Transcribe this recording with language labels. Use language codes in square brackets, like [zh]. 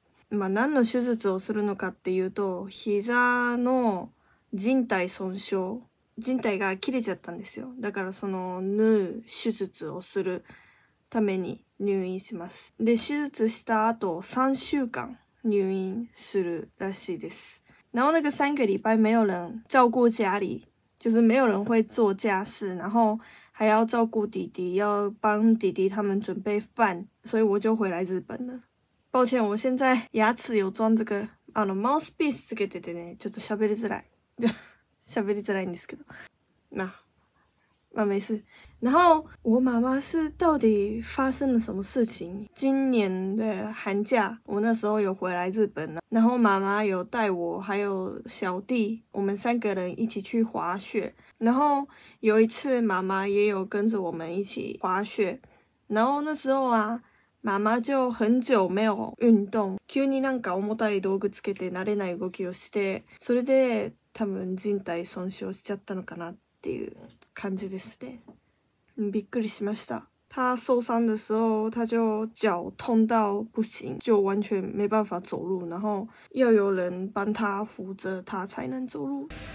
[ja] まあ、何の手術をするのかっていうと、膝の靭帯損傷、靭帯が切れちゃったんですよ。だからその縫う手術をするために入院します。で、手術した後3週間入院するらしいです。 [zh] 然后那个三个礼拜没有人照顾家里，就是没有人会做家事，然后还要照顾弟弟，要帮弟弟他们准备饭，所以我就回来日本了。抱歉，我现在牙齿有装这个 [ja] あのマウスピースつけててね、ちょっと喋りづらい、喋りづらいんですけど、那まあ [zh] 没事。然后我妈妈是到底发生了什么事情？今年的寒假，我那时候有回来日本了，然后妈妈有带我还有小弟，我们三个人一起去滑雪。然后有一次妈妈也有跟着我们一起滑雪，然后那时候啊，妈妈就很久没有运动， [ja] 急になんか重たい道具つけて慣れない動きをして、それで多分靭帯損傷しちゃったのかなっていう感じですね。びっくりしました。 [zh] 他受傷的时候，他就脚痛到不行，就完全没办法走路，然后要有人帮他扶着他才能走路。